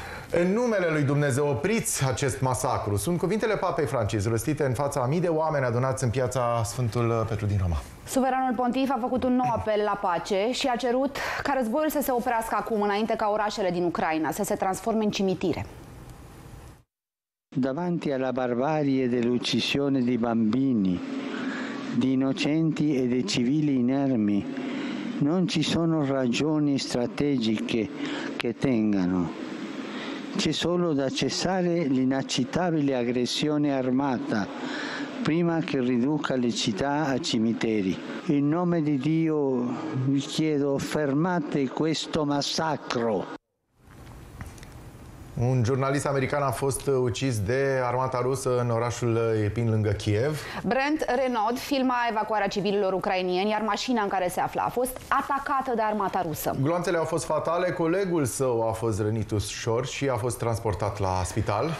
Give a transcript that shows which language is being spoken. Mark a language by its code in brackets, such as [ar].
[ro] În numele lui Dumnezeu, opriți acest masacru. Sunt cuvintele Papei Francis, rostite în fața a mii de oameni adunați în piața Sfântul Petru din Roma. Suveranul pontif a făcut un nou apel la pace și a cerut ca războiul să se oprească acum, înainte ca orașele din Ucraina să se transforme în cimitire. [it] Davanti alla barbarie dell'uccisione di bambini, di innocenti e di civili inermi, non ci sono ragioni strategiche che tengano. C'è solo da cessare l'inaccettabile aggressione armata prima che riduca le città a cimiteri. In nome di Dio vi chiedo, fermate questo massacro. [ro] Un jurnalist american a fost ucis de armata rusă în orașul Irpin, lângă Kiev. Brent Renaud filma evacuarea civililor ucrainieni, iar mașina în care se afla a fost atacată de armata rusă. Gloanțele au fost fatale, colegul său a fost rănit ușor și a fost transportat la spital.